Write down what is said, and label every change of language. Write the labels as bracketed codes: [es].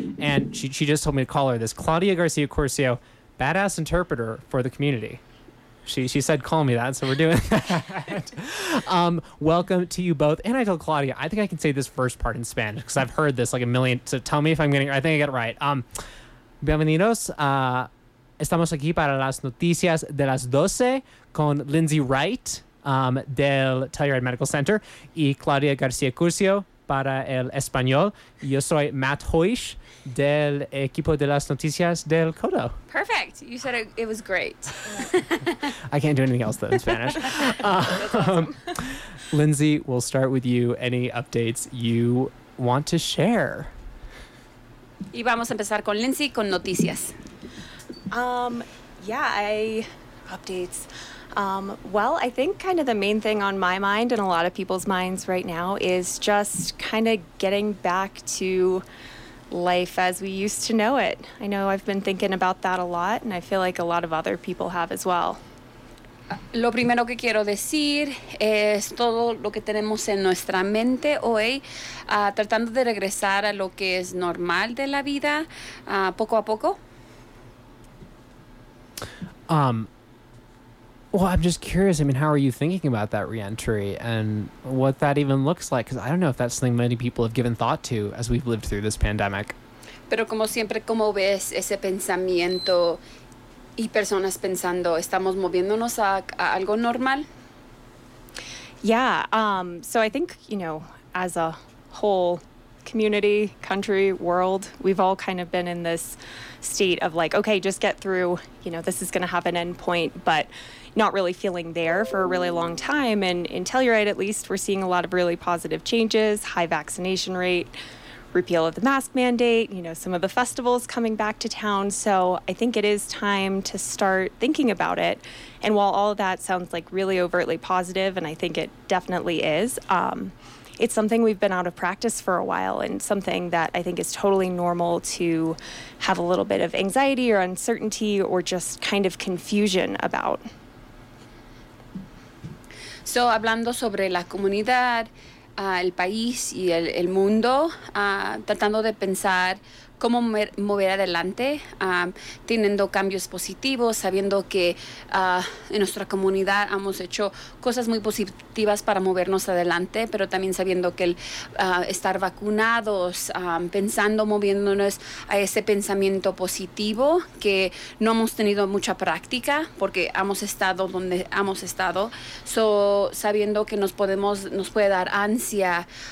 [en] And she just told me to call her this, Claudia Garcia Curcio, badass interpreter for the community. She said, call me that. So we're doing that. Welcome to you both. And I told Claudia, I think I can say this first part in Spanish because I've heard this like a million. So tell me if I'm getting, I think I got it right. [es] Bienvenidos. Estamos aquí para las noticias de las 12 con Lindsay Wright del Telluride Medical Center y Claudia Garcia Curcio para el español. Yo soy Matt Hoish del equipo de las noticias del Kodo. [en] Perfect. You said it was great. I can't do anything else though in Spanish. Awesome. Lindsay, we'll start with you. Any updates you want to share? [es] Y vamos a empezar con Lindsay con noticias. [en] Well, I think kind of the main thing on my mind and a lot of people's minds right now is just kind of getting back to life as we used to know it. I know I've been thinking about that a lot, and I feel like a lot of other people have as well. [es] Lo primero que quiero decir es todo lo que tenemos en nuestra mente hoy, tratando de regresar a lo que es normal de la vida, poco a poco. [en] Well, I'm just curious. I mean, how are you thinking about that reentry and what that even looks like? Because I don't know if that's something many people have given thought to as we've lived through this pandemic. [es] Pero como siempre, como ves ese pensamiento y personas pensando, estamos moviéndonos a algo normal? [en] Yeah. So I think, you know, as a whole community, country, world, we've all kind of been in this state of like, okay, just get through, you know, this is going to have an end point, but not really feeling there for a really long time. And in Telluride, at least, we're seeing a lot of really positive changes, high vaccination rate, repeal of the mask mandate, you know, some of the festivals coming back to town. So I think it is time to start thinking about it. And while all of that sounds like really overtly positive, and I think it definitely is, it's something we've been out of practice for a while and something that I think is totally normal to have a little bit of anxiety or uncertainty or just kind of confusion about. [es] So, hablando sobre la comunidad, el país y el mundo, tratando de pensar cómo mover adelante, teniendo cambios positivos, sabiendo que en nuestra comunidad hemos hecho cosas muy positivas para movernos adelante, pero también sabiendo que el estar vacunados, pensando, moviéndonos a ese pensamiento positivo, que no hemos tenido mucha práctica porque hemos estado donde hemos estado, so, sabiendo que nos puede dar ansia